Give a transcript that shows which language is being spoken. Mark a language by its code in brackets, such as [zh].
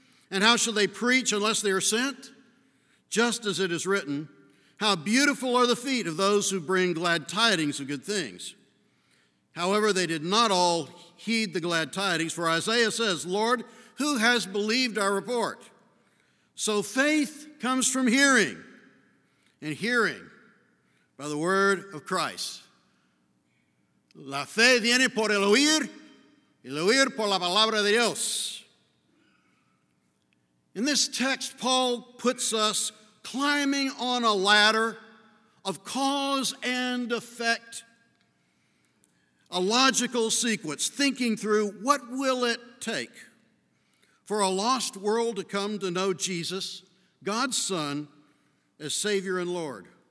[en] And how shall they preach unless they are sent? Just as it is written, how beautiful are the feet of those who bring glad tidings of good things. However, they did not all heed the glad tidings, for Isaiah says, Lord, who has believed our report? So faith comes from hearing, and hearing by the word of Christ. [es] La fe viene por el oír, y el oír por la palabra de Dios. [en] In this text, Paul puts us climbing on a ladder of cause and effect, a logical sequence, thinking through what will it take For a lost world to come to know Jesus, God's Son, as Savior and Lord.